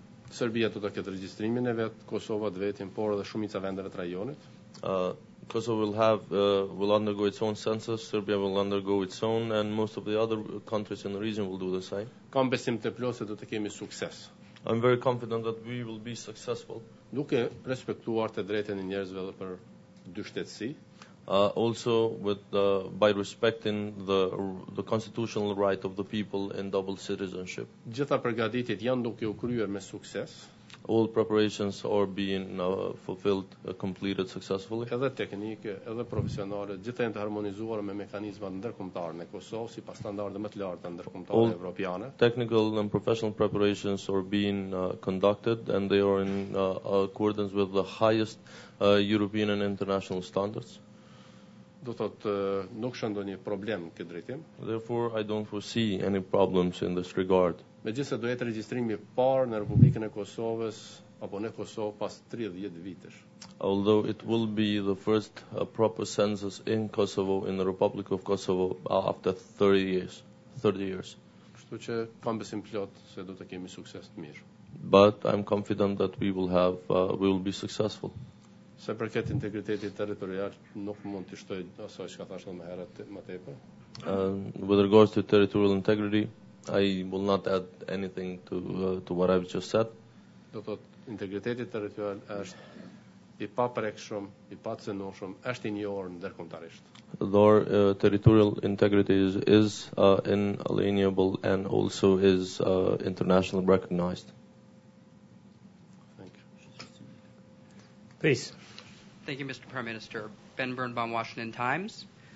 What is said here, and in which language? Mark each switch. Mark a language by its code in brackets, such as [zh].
[sq] Serbia do të ketë regjistrimin e vet, Kosova të vetin, por edhe shumica vendeve të rajonit. [en] Kosovo will undergo its own census, Serbia will undergo its own, and most of the other countries in the region will do the same. [sq] Kam besim të plotë se do të kemi sukses. [en] I'm very confident that we will be successful. [sq] Duke respektuar të drejtën e njerëzve dhe për dy shtetësi. [en] Also with by respecting the constitutional right of the people in double citizenship. [sq] Gjitha përgatitjet janë duke u kryer me sukses. [en] All preparations are being fulfilled completed successfully. [sq] Edhe teknike, edhe profesionale, gjithë janë të harmonizuara me mekanizmat ndërkombëtar në Kosovë sipas standardeve më të larta ndërkombëtare evropiane. [en] Technical and professional preparations are being conducted and they are in accordance with the highest European and international standards. [sq] Do thot nuk shëndo një problem këtë drejtim. [en] Therefore, I don't foresee any problems in this regard. [sq] Me gjithë se do jetë regjistrimi parë në Republikën e Kosovës, apo në Kosovë pas 30 vitesh. [en] Although it will be the first proper census in Kosovo, in the Republic of Kosovo, after 30 years. [sq] Kështu që kam besim plot se do të kemi sukses të mirë. [en] but I'm confident that we will have we will be successful. With regards to territorial integrity, I will not add anything to what I've just said. Integriteti territorial është i paprekshëm, i pacenueshëm, është i njohur ndërkombëtarisht. Their territorial integrity is inalienable and also is internationally recognized. Thank you. Please. Thank you, Mr. Prime Minister. Ben Birnbaum, Washington Times.